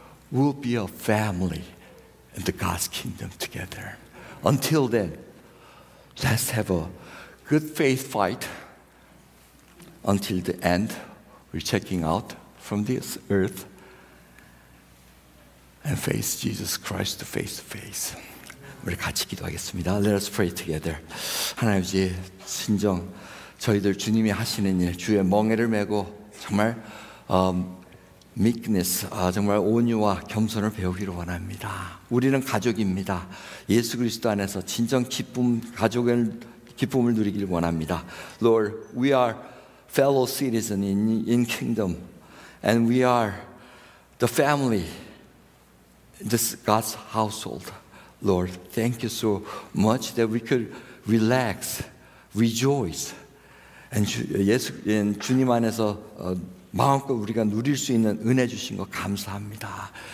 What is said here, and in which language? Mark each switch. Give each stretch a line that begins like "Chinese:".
English: We'll be a family in the God's kingdom together. Until then, let's have a good faith fight until the end. We're checking out from this earth and face Jesus Christ face to face.
Korean: 우리 같이 기도하겠습니다.
English: Let us pray together.
Korean: 하나님 이제 진정 저희들 주님이 하시는 일, 주의 멍에를 메고 정말 meekness, 정말 온유와 겸손을 배우기를 원합니다. 우리는 가족입니다. 예수 그리스도 안에서 진정 기쁨, 가족의 기쁨을 누리기를 원합니다.
English: Lord, we are fellow citizens in kingdom, and we are the family, this God's household. Lord, thank you so much that we could relax, rejoice, and
Korean: 주님 안에서 마음껏 우리가 누릴 수 있는 은혜 주신 거 감사합니다.